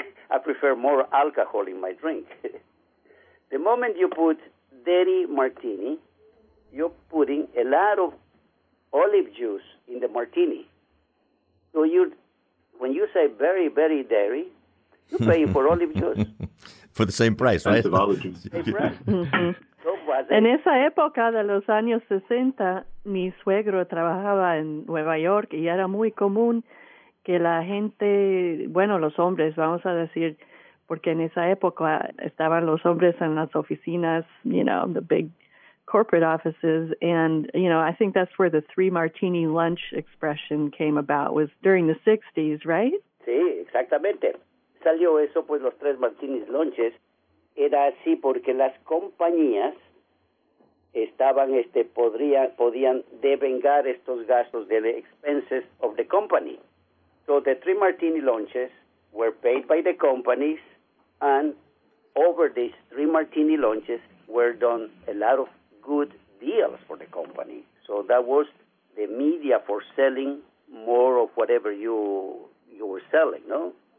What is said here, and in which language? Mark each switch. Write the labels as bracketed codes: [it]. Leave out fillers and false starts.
[en] I prefer more alcohol in my drink. The moment you put dirty martini, you're putting a lot of olive juice in the martini. So when you say very, very dairy, you're paying for olive juice. For the same price, right? Same price. [es] En esa época de los años 60, mi suegro trabajaba en Nueva York y era muy común que la gente, bueno, los hombres, vamos a decir, porque en esa época estaban los hombres en las oficinas, [en] you know, the big corporate offices, and, you know, I think that's where the three martini lunch expression came about, was during the 60s, right? [es] Sí, exactamente. Salió eso, pues, los tres martinis lunches. Era así porque las compañías estaban, podían devengar estos gastos de [en] the expenses of the company. So the three martini lunches were paid by the companies, and over these three martini lunches were done a lot of good deals for the company. So that was the media for selling more of whatever you were selling, no?